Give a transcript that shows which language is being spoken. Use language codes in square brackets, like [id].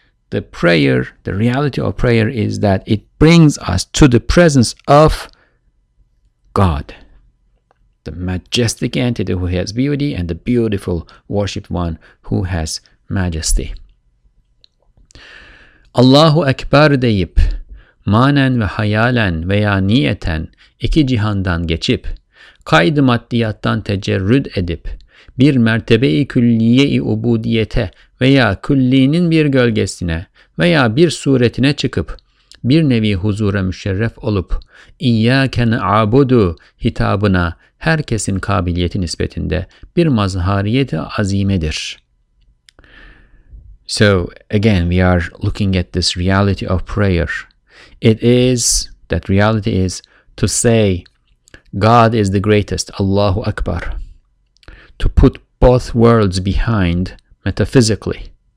[en] The prayer, the reality of prayer is that it brings us to the presence of God, the majestic entity who has beauty, and the beautiful worshiped one who has majesty. [tr] Allahu Ekber deyip, manen ve hayalen veya niyeten iki cihandan geçip, kaydı maddiyattan tecerrüd edip, bir mertebe-i külliye-i ubudiyete veya külliğinin bir gölgesine veya bir suretine çıkıp, bir nevi huzura müşerref olup, [ar] İyyâke na'budu [tr] hitabına herkesin kabiliyeti nispetinde bir mazhariyeti azimedir. [en] So again, we are looking at this reality of prayer. It is, that reality is to say, God is the greatest, Allahu Akbar. To put both worlds behind metaphysically.